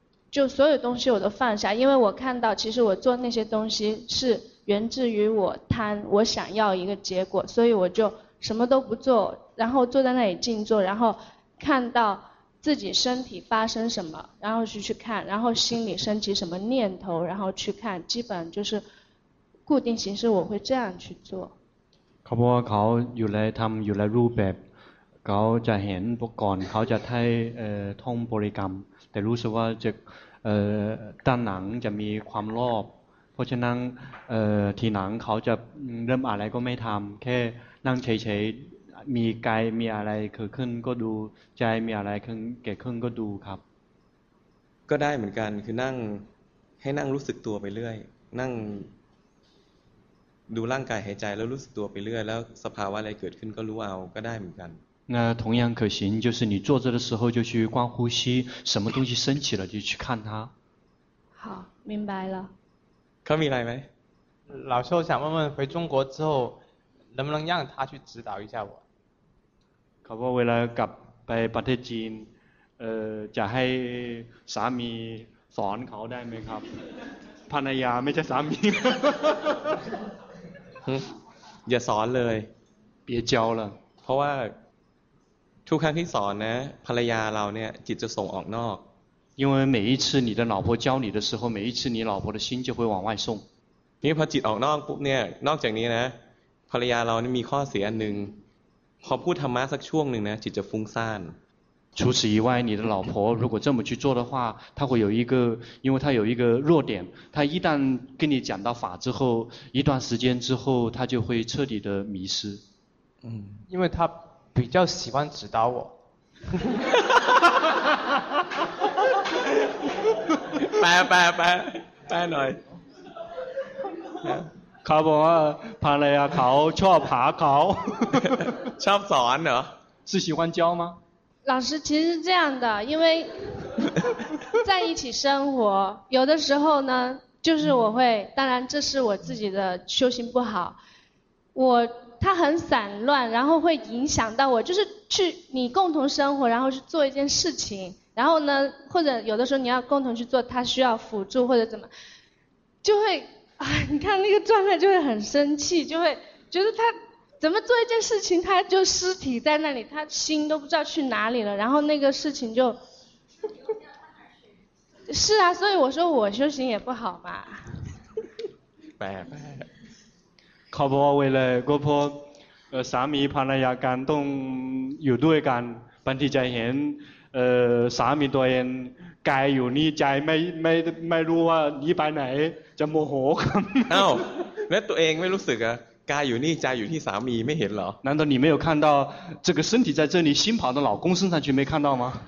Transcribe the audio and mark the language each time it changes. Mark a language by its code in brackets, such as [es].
[zh] 就所有东西我都放下，因为我看到其实我做那些东西是源自于我贪，我想要一个结果，所以我就什么都不做，然后坐在那里静坐，然后看到自己身体发生什么，然后去看，然后心里升起什么念头，然后去看，基本就是固定形式，我会这样去做。 [th] เขาบอกว่าเขาอยู่ในทำอยู่ในรูปแบบเขาจะเห็นก่อนเขาจะใช้ท่องบริกรรมแต่รู้สึกว่าจะด้านหนังจะมีความรอบเพราะฉะนั้นทีหนังเขาจะเริ่มอะไรก็ไม่ทำแค่นั่งเฉยมีกายมีอะไรเกิดขึ้นก็ดูใจมีอะไรเกิดขึ้นก็ดูครับ ก็ได้เหมือนกันคือนั่งให้นั่งรู้สึกตัวไปเรื่อยนั่งดูร่างกายหายใจแล้วรู้สึกตัวไปเรื่อยแล้วสภาวะอะไรเกิดขึ้นก็รู้เอาก็ได้เหมือนกัน [zh] 那同样可行就是你坐着的时候就去观呼吸什么东西升起了就去看它好明白了 [th] เขามีอะไรไหม [zh] 老师我想问问回中国之后能不能让他去指导一下我 [th] เขาบอกเวลากลับไปประเทศจีนจะให้สามีสอนเขาได้ไหมครับภรรยาไม่ใช่สามี อย่าสอนเลย เปียเจ้าล่ะ เพราะว่าทุกครั้งที่สอนนะภรรยาเราเนี่ยจิตจะส่งออกนอก [zh] 因为每一次你的老婆教你的时候每一次你老婆的心就会往外送 [th] นี่พอจิตออกนอกปุ๊บเนี่ยนอกจากนี้นะภรรยาเรานี่มีข้อเสียอันนึงพอพูดธรรมะสักช่วงหนึ่งนะจิตจะฟุ้งซ่าน [zh] 除此以外你的老婆如果这么去做的话她会有一个因为她有一个弱点她一旦跟你讲到法之后一段时间之后她就会彻底的迷失因为她比较喜欢指导我。拜拜拜拜来。 [th] เขาบอกว่าภรรยาเขาชอบหาเขา ชอบสอนเหรอ [zh] 是喜欢教吗老师其实是这样的因为在一起生活有的时候呢就是我会当然这是我自己的修行不好我他很散乱然后会影响到我就是去你共同生活然后去做一件事情然后呢或者有的时候你要共同去做他需要辅助或者怎么就会你看那个状态就会很生气就会觉得他怎么做一件事情他就尸体在那里他心都不知道去哪里了然后那个事情就是啊所以我说我修行也不好嘛拜拜 [th] เขาบอกว่าเวลาก็พบสามีภรรยากันต้องอยู่ด้วยกันบางทีจะเห็นสามีตัวเองกายอยู่นี่ใจไม่รู้ว่าหนีไปไหนจะโมโห เอ้าแล้วตัวเองไม่รู้สึกอะกายอยู่นี่ใจอยู่ที่สามีไม่เห็นเหรอ [zh] 难道你没有看到这个身体在这里心跑到老公身上去没看到吗